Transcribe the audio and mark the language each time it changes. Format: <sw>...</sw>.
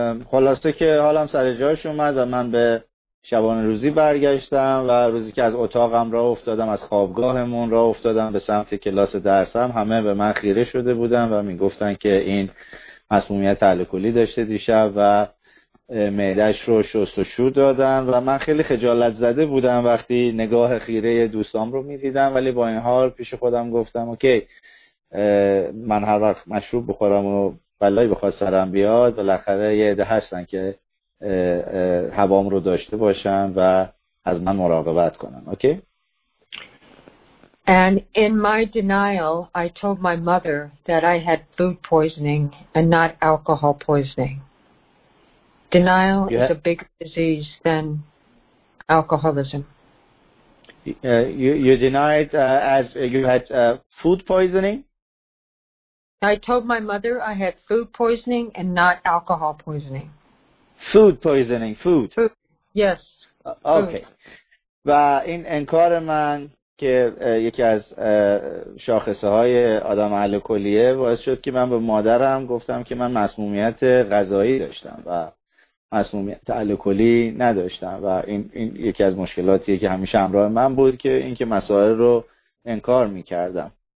<fa>خلاصه که حالم سر جاش اومد و من به شبانه روزی برگشتم و روزی که از اتاقم را افتادم از خوابگاهمون را افتادم به سمت کلاس درسم همه به من خیره شده بودن و میگفتن که این مسمومیت الکلی داشته دیشب و معده‌اش رو شست و شو دادن و من خیلی خجالت زده بودم وقتی نگاه خیره دوستام رو می‌دیدم ولی با این حال پیش خودم گفتم اوکی من هر وقت مشروب بخورم و بلایی بخواد سرم بیاد بالاخره یه عده هستن که هوام رو داشته باشن و از من مراقبت کنن. اوکی.</fa> <en>And in my denial I told my mother that I had food poisoning and not alcohol poisoning. Denial is a bigger disease than alcoholism. You denied as you had food poisoning? I told my mother I had food poisoning and not alcohol poisoning. Food poisoning, food. Food. Yes. Okay.</en> <fa>و این انکار من که یکی از شاخصه های آدم الکلیه باعث شد که من به مادرم گفتم که من مسمومیت غذایی داشتم و مسمومیت الکلی نداشتم و این یکی از مشکلاتیه که همیشه همراه من بود که این که مسائل رو انکار می‌کردم.</fa>